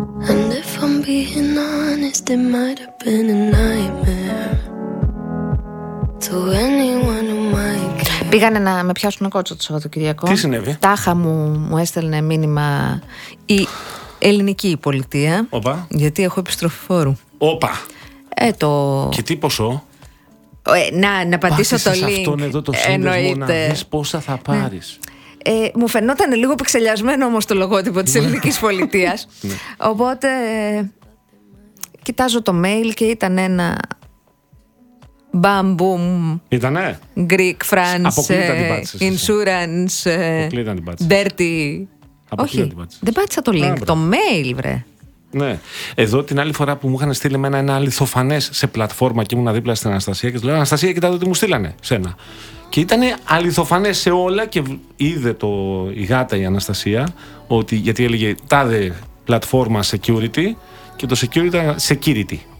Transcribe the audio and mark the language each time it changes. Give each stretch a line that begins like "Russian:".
English: And if I'm being honest, it might have been a nightmare to anyone who might care.
Greek: Πήγανε να με πιάσουν κότσο το Σαββατοκυριακό. Τι συνέβη? Τάχα μου έστελνε μήνυμα η ελληνική πολιτεία. Οπα. Γιατί έχω επιστροφή φόρου. Οπα. Το... Και τι ποσό? Να πατήσω το link. Αυτόν εδώ το σύνδεσμο. Εννοείται. Να δεις πόσα θα πάρεις. Μου φαινόταν λίγο πεξελιασμένο όμως το λογότυπο της ελληνικής πολιτείας. Οπότε κοιτάζω το mail και ήταν ένα μπαμπούμ. Ήτανε
English: Greek, France, insurance, dirty.
Greek: Όχι, δεν πάτησα το link. Άμπρο. Το mail, βρε. Ναι. Εδώ την άλλη φορά που μου είχαν στείλει εμένα ένα αληθοφανές σε πλατφόρμα και ήμουν δίπλα στην Αναστασία και του λέω: Αναστασία, κοιτάτε τι μου στείλανε σένα. Και ήταν αληθοφανές σε όλα και είδε το η γάτα η Αναστασία ότι, γιατί έλεγε τάδε πλατφόρμα security και το security ήταν security.